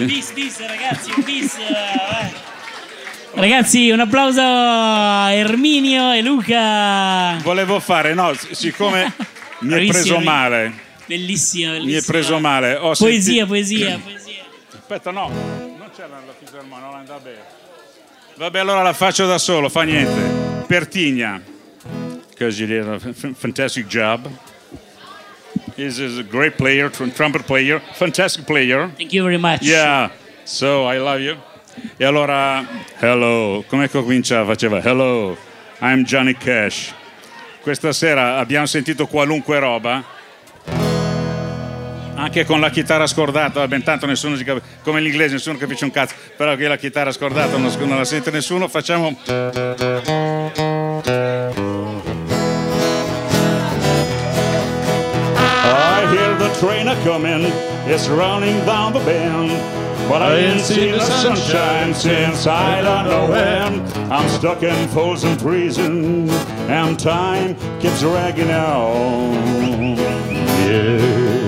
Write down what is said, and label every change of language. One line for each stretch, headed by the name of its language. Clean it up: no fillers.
Italian: Un bis, bis, ragazzi, un bis. Ragazzi, un applauso a Erminio e Luca. Volevo fare, no, siccome mi è preso male. Bellissimo, bellissimo. Mi è preso male. Ho poesia, sentito... poesia, poesia. Aspetta, no, non c'è la fisarmonica, non andrà bene. Vabbè, allora la faccio da solo, fa niente.
English: Pertigna, because you did a fantastic job. This is a great player, trumpet player, fantastic player. Thank you very much. Yeah, so I love you.
Italian: E allora, hello, come cominciava? Faceva, hello,
English: I'm Johnny Cash.
Italian: Questa sera abbiamo sentito qualunque roba, anche con la chitarra scordata, ben tanto nessuno si capisce, come l'inglese nessuno capisce un cazzo, però qui la chitarra scordata non la sente nessuno, facciamo...
English: I hear the train a-coming, it's running down the bend, but I ain't seen the sunshine since I don't know when. I'm stuck in frozen prison, and time keeps dragging on, yeah.